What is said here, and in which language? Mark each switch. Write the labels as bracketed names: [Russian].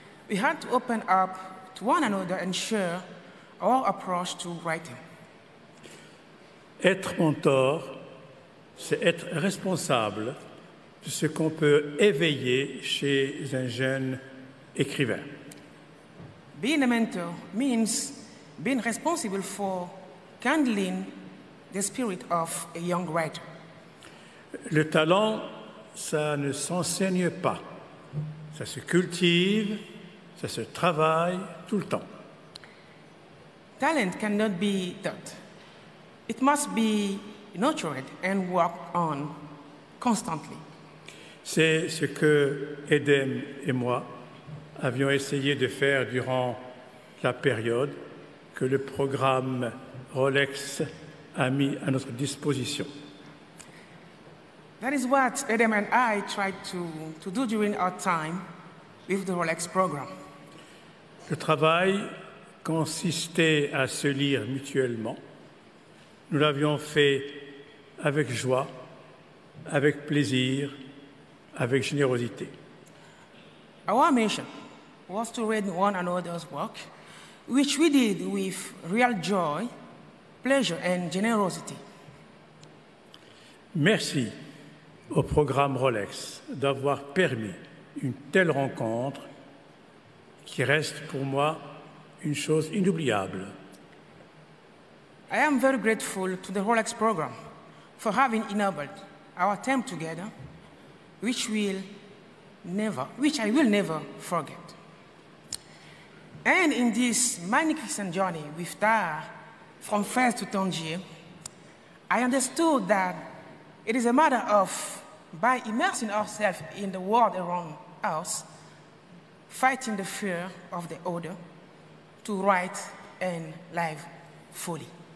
[English] We had to open up to one another and share our approach to writing. [French] Être mentor, c'est être responsable de ce qu'on peut éveiller chez un jeune écrivain. [English] Being a mentor means being responsible for kindling the spirit of a young writer. [French] Le talent, ça ne s'enseigne pas. Ça se cultive, ça se travaille tout le temps. [English] Talent cannot be taught. It must be nurtured and worked on constantly. [French] C'est ce que Edem et moi avions essayé de faire durant la période que le programme Rolex a mis à notre disposition. [English] That is what Edem and I tried to do during our time with the Rolex program. [French] Le travail consistait à se lire mutuellement. Nous l'avions fait avec joie, avec plaisir, avec générosité. [English] Our mission was to read one another's work, which we did with real joy, pleasure and generosity. [French] Merci au programme Rolex d'avoir permis une telle rencontre qui reste pour moi une chose inoubliable. [English] I am very grateful to the Rolex program for having enabled our time together, which I will never forget. And in this magnificent journey with Tahar from Fès to Tangier, I understood that it is a matter of, by immersing ourselves in the world around us, fighting the fear of the other, to write and live fully.